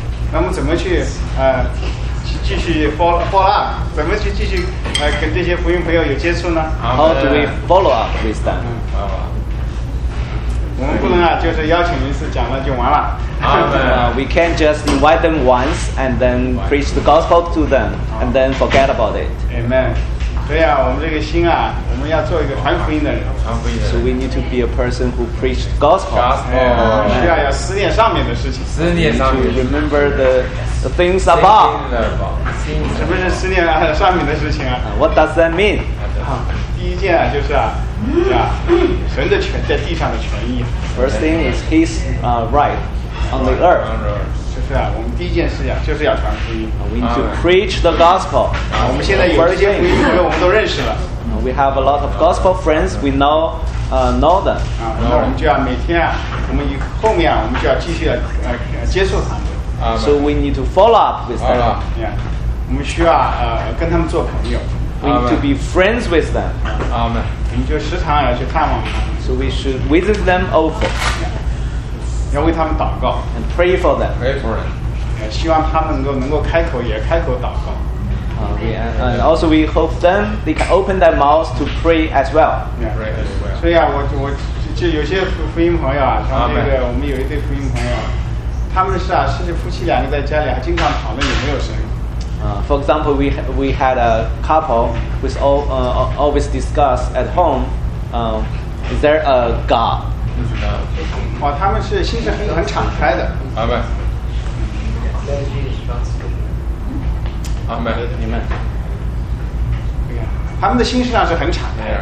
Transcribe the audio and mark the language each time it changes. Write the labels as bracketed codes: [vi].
[zh] 那我们怎么去继续 follow up? 怎么去继续跟这些福音朋友有接触呢 [en] ？How do we follow up with them? [zh] 我们不能啊，就是邀请一次讲了就完了。 [en] We can't just invite them once and then preach the gospel to them and then forget about it. Amen. [zh] 对啊，我们这个心啊，我们要做一个传福音的人。 [en] So we need to be a person who preached gospel. Gospel. [zh] 需要思念上面的事情。思念上面。 [en] To remember the things above. [zh] 什么是思念上面的事情啊 [en] ？What does that mean? [zh] 第一件啊，就是啊。神的权在地上的权益。 [en] First thing is his right on the earth. [zh] 就是啊，我们第一件事啊，就是要传福音。 [en] We need to preach the gospel. [zh] 我们现在有这些福音朋友，我们都认识了。 [en] We have a lot of gospel friends. We know know them. [zh] 那我们就要每天啊，我们以后面啊，我们就要继续接触他们。 [en] So we need to follow up with them. [zh] 我们需要跟他们做朋友。 [en] We need to be friends with them. Amen. [zh] 我们就时常要去探望他们。 [en] So we should visit them often. [zh] 要为他们祷告。 [en] And pray for them. Pray for them. [zh] 希望他们能够开口也开口祷告。 [en] And also we hope them they can open their mouths to pray as well. Pray as well. [zh] 所以啊，我有些福音朋友啊，像这个我们有一对福音朋友，他们是夫妻两个在家里还经常讨论有没有神。 [en] For example, we had a couple who always discuss at home, is there a God? [zh] 哇，他们是心是很敞开的。阿门。阿门。你们。他们的心实际上是很敞开。